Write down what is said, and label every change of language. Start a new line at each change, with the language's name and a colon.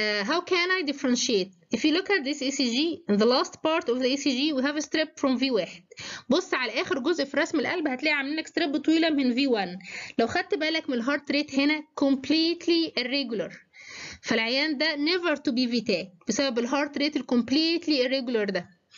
English: How can I differentiate? If you look at this ECG, in the last part of the ECG, we have a strip from V1.
Arabic: بص على آخر جزء في رسم القلب هتلاقي عاملينك strip طويلة من V1. لو خدت بالك من الهارت ريت هنا
English: completely irregular.
Arabic: فالعيان ده
English: never to be
Arabic: VTEC بسبب الهارت ريت
English: completely irregular
Arabic: ده.